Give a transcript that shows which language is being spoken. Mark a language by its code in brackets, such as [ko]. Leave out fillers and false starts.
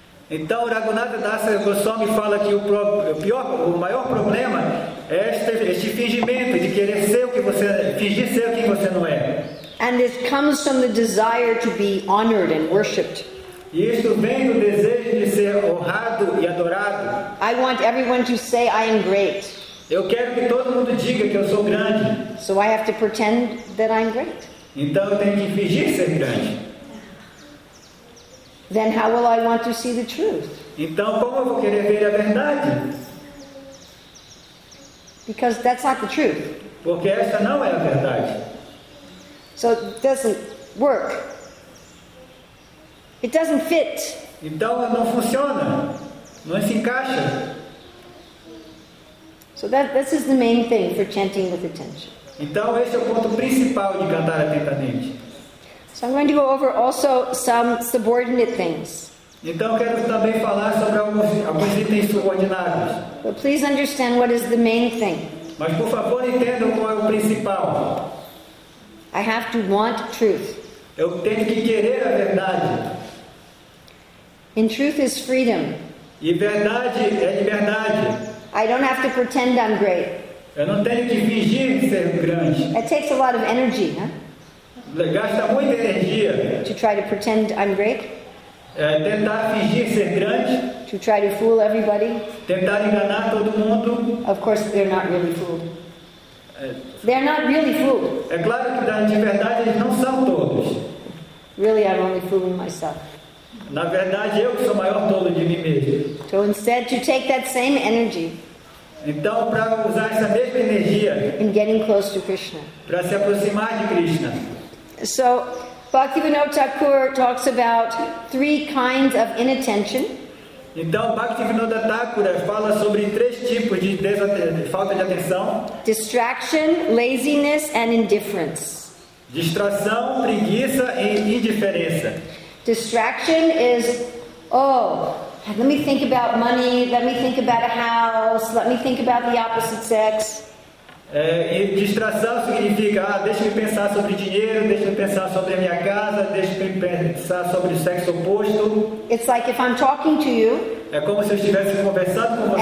[pt] Então, Raghunathas Goswami fala que o maior problema é este fingimento de fingir ser o que você não é. [en] And it comes from the desire to be honored and worshipped. [pt] Isso vem do desejo de ser honrado e adorado. [en] I want everyone to say I am great. [pt] Eu quero que todo mundo diga que eu sou grande. [en] So I have to pretend that I'm great. [pt] Então eu tenho que fingir ser grande. [en] Then how will I want to see the truth? [pt] Então como eu vou querer ver a verdade? [en] Because that's not the truth. [pt] Porque essa não é a verdade. [en] So it doesn't work. It doesn't fit. [pt] Então não funciona. Não se encaixa. [en] So this is the main thing for chanting with attention. [pt] Então esse é o ponto principal de cantar atentamente. [en] So I'm going to go over also some subordinate things. [pt] Então quero também falar sobre alguns itens subordinados. [en] But please understand what is the main thing. [pt] Mas por favor entenda qual é o principal. [en] I have to want truth. [pt] Eu tenho que querer a verdade. [en] In truth is freedom. [pt] E verdade é liberdade. [en] I don't have to pretend I'm great. [pt] Eu não tenho que fingir ser grande. [en] It takes a lot of energy, huh? [pt] Gasta muita energia. [en] To try to pretend I'm great. [pt] Tentar fingir ser grande. [en] To try to fool everybody. [pt] Tentar enganar todo mundo. [en] Of course, they're not really fooled. They're not really fooled. [pt] É claro que de verdade eles não são todos. [en] Really, I'm only fooling myself. [pt] Na verdade, eu que sou o maior tolo de mim mesmo. [en] So instead, to take that same energy. [pt] Então, para usar essa mesma energia. [en] In getting close to Krishna. [pt] Para se aproximar de Krishna. [en] So, Bhaktivinoda Thakur talks about three kinds of inattention. [pt] Então, Bhaktivinoda Thakur fala sobre três tipos de falta de atenção. [en] Distraction, laziness, and indifference. [pt] Distração, preguiça e indiferença. [en] Distraction is, let me think about money, let me think about a house, let me think about the opposite sex. [pt] Distração significa, deixa eu pensar sobre dinheiro, deixa eu pensar sobre a minha casa, deixa eu pensar sobre o sexo oposto. [en] It's like if I'm talking to you. [pt] É como se eu estivesse conversando com você.